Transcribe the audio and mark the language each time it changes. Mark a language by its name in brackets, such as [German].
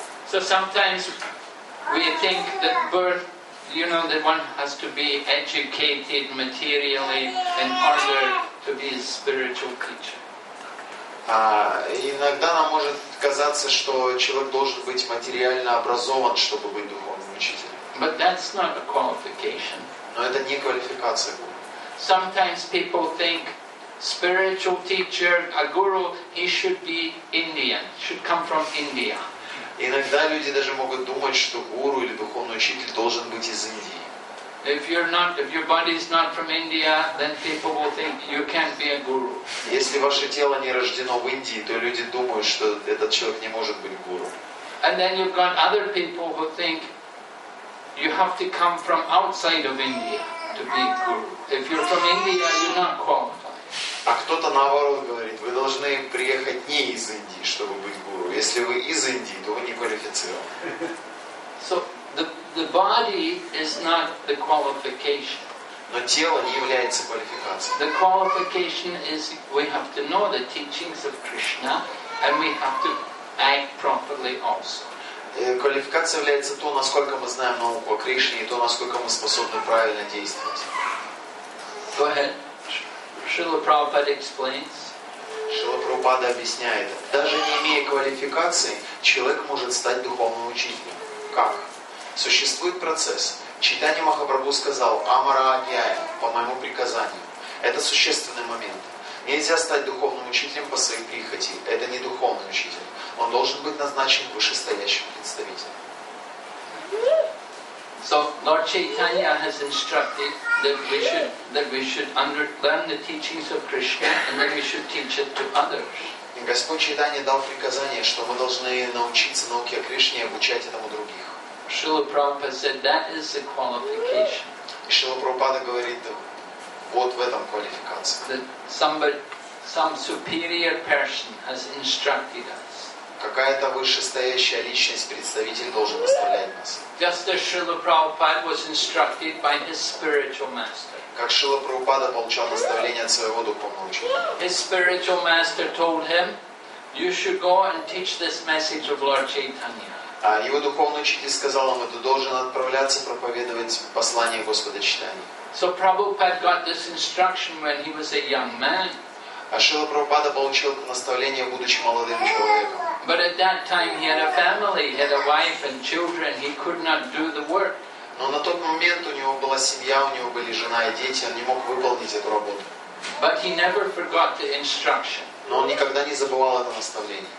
[English] So sometimes we think that birth, you know, that one has to be educated materially in order to be a spiritual teacher. [Russian] Иногда нам может казаться, что человек должен быть материально образован, чтобы быть духовным учителем. [English] But that's not a qualification. [Russian] Но это не квалификация. [English] Sometimes people think spiritual teacher, a guru, he should be Indian, should come from India. [Russian] Иногда люди даже могут думать, что гуру или духовный учитель должен быть из Индии. [English] If you're not, if your body is not from India, then people will think you can't be a guru. [Russian] Если ваше тело не рождено в Индии, то люди думают, что этот человек не может быть гуру. [English] And then you've got other people who think you have to come from outside of India to be a guru. If you're from India, you're not qualified. [Russian] А кто-то наоборот говорит, вы должны приехать не из Индии, чтобы быть гуру. Если вы из Индии, то вы не квалифицированы. [English] So the body is not the qualification. [Russian] Но тело не является квалификацией. [English] The qualification is we have to know the teachings of Krishna and we have to act properly also. [Russian] Квалификация является то, насколько мы знаем науку о Кришне и то, насколько мы способны правильно действовать. [English] Go ahead. Шрила Прабхупада explains. [Russian] Шрила Прабхупада объясняет. Даже не имея квалификации, человек может стать духовным учителем. Как? Существует процесс. Чайтанья Махапрабху сказал «Амара Агьяя» по моему приказанию. Это существенный момент. Нельзя стать духовным учителем по своей прихоти. Это не духовный учитель. Он должен быть назначен вышестоящим представителем. [English] So Lord Chaitanya has instructed that we should learn the teachings of Krishna and then we should teach it to others. [Russian] И Господь Чайтанья дал приказание, что мы должны научиться науке о Кришне и обучать этому других. [English] Шрила Прабхупада said that is the qualification. [Russian] И Шрила Прабхупада говорит, вот в этом квалификация. [English] That some superior person has instructed us. [Russian] Какая-то вышестоящая личность, представитель, должен наставлять нас. [English] Just as Srila Prabhupada was instructed by his spiritual master. [Russian] Как Шрила Прабхупада получал наставление от своего духовного учителя. [English] His spiritual master told him, you should go and teach this message of Lord Chaitanya. [Russian] А его духовный учитель сказал ему, ты должен отправляться проповедовать послание Господа Чайтаньи. [English] So Prabhupada got this instruction when he was a young man. [Russian] А Шрила Прабхупада получил наставление, будучи молодым человеком. [English] But at that time he had a family, he had a wife and children, he could not do the work. [Russian] Но на тот момент у него была семья, у него были жена и дети, он не мог выполнить эту работу. [English] But he never forgot the instruction. [Russian] Но он никогда не забывал это наставление.